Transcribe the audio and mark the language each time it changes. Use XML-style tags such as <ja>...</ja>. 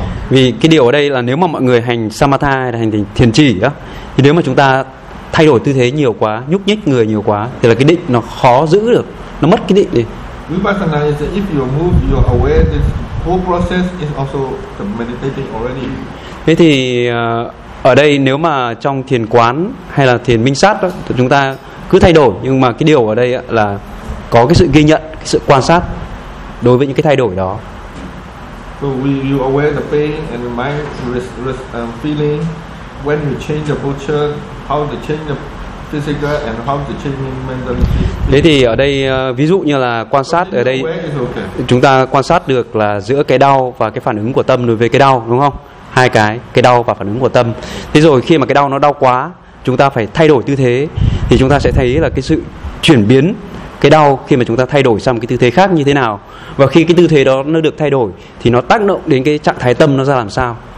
<vi>Vì cái điều ở đây là nếu mà mọi người hành samatha hay là hành thiền chỉ á, thì nếu mà chúng ta thay đổi tư thế nhiều quá, nhúc nhích người nhiều quá, thì là cái định nó khó giữ được, nó mất cái định đi.</vi> <en>Vipassana is that if you move, you're aware, this whole process is also the meditating already.</en> <vi>Thế thì ở đây nếu mà trong thiền quán hay là thiền minh sát đó, thì chúng ta cứ thay đổi, nhưng mà cái điều ở đây là có cái sự ghi nhận, cái sự quan sát đối với những cái thay đổi đó.</vi> <en>So we, you aware the pain and the mind feeling when you change the posture, how to change the physical and how to change mentality.</en> <vi>Thế thì ở đây ví dụ như là quan sát ở đây, chúng ta quan sát được là giữa cái đau và cái phản ứng của tâm đối với cái đau, đúng không? Hai cái đau và phản ứng của tâm. Thế rồi khi mà cái đau nó đau quá, chúng ta phải thay đổi tư thế, thì chúng ta sẽ thấy là cái sự chuyển biến cái đau khi mà chúng ta thay đổi sang một cái tư thế khác như thế nào, và khi cái tư thế đó nó được thay đổi thì nó tác động đến cái trạng thái tâm nó ra làm sao.</vi>